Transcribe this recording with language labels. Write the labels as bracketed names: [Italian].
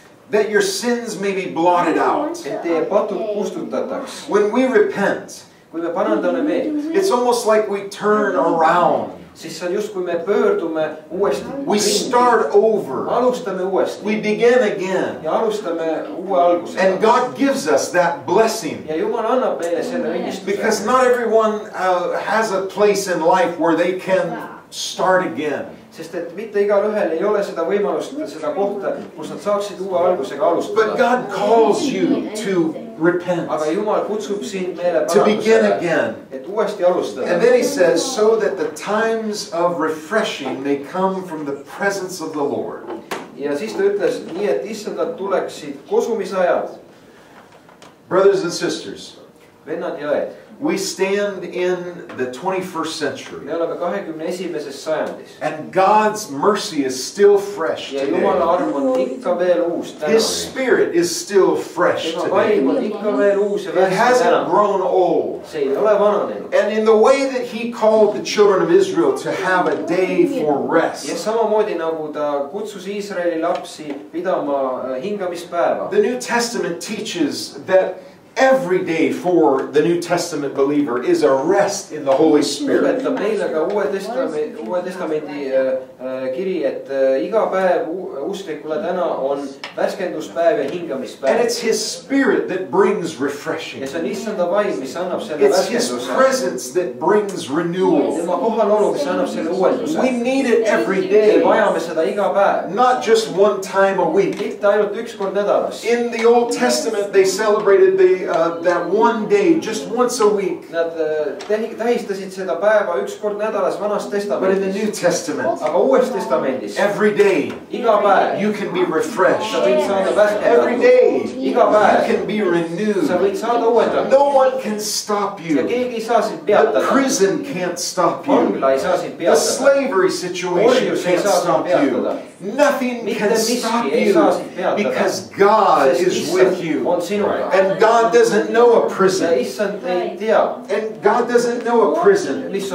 [English] That your sins may be blotted out. [Estonian] Et teie patud kustutataks. [English] When we repent, [Estonian] kui me parandame meelt, [English] it's almost like we turn around. [Estonian] Siis on just kui me pöördume uuesti. [English] We start over. [Estonian] Alustame uuesti. [English] We begin again. [Estonian] Ja alustame uue alguse. [English] And God gives us that blessing. [Estonian] Ja Jumal annab meile selle õnnistuse. [English] Because not everyone has a place in life where they can start again. [Estonian] Sest et mitte igal ühel ei ole seda võimalust seda kohta, kus nad saaksid uue algusega alustada. [English] But God calls you to repent. [Estonian] Aga Jumal kutsub sind meile [English] to begin again. [Estonian] Et uuesti alustada. [English] And then he says, so that the times of refreshing may come from the presence of the Lord. [Estonian] Ja siis ta ütles, nii et Issandalt tuleksid kosumisajad. [English] Brothers and sisters, [Estonian] vennad ja õed. [English] We stand in the 21st century. [Estonian] Me oleme 21. Sajandis. [English] And God's mercy is still fresh today. [Estonian] Ja Jumala arm on ikka veel uus täna. [English] His spirit is still fresh today. [Estonian] Ja vaim on ikka veel uus ja [English] it hasn't grown old. [Estonian] See, ei ole vananenud. [English] And in the way that he called the children of Israel to have a day for rest. [Estonian] Ja samamoodi nagu ta kutsus Iisraeli lapsi pidama hingamispäeva. [English] The New Testament teaches that every day for the New Testament believer is a rest in the Holy Spirit. [Estonian] Ja meil aga uue testamendi kiri, et iga päev usklikule täna on värskenduspäev ja hingamispäev. [English] And it's his spirit that brings refreshing. [Estonian] Ja see on Issanda vaim, mis annab selle värskenduse. [English] It's his presence that brings renewal. [Estonian] Tema kohalolu, mis annab selle uuenduse. [English] We need it every day. [Estonian] Ja vajame seda iga päev. [English] Not just one time a week. [Estonian] Mitte ainult üks kord nädalas. [English] In the Old Testament they celebrated that one day, just once a week. [Estonian] Nad tähistasid seda päeva üks kord nädalas vanas testamentis. [English] But in the New Testament, [Estonian] aga uues testamentis, [English] every day, [Estonian] iga päev, [English] you can be refreshed. [Estonian] Sa võid saada värskendatud. [English] Every day, [Estonian] iga päev, [English] you can be renewed. [Estonian] Sa võid saada uuendatud. [English] No one can stop you. [Estonian] Ja keegi ei saa sind peatada. [English] The prison can't stop you. [Estonian] Vangla ei saa sind peatada. [English] The slavery situation can't stop you. Nothing can stop you because God is with you. And God doesn't know a prison. And God doesn't know a prison.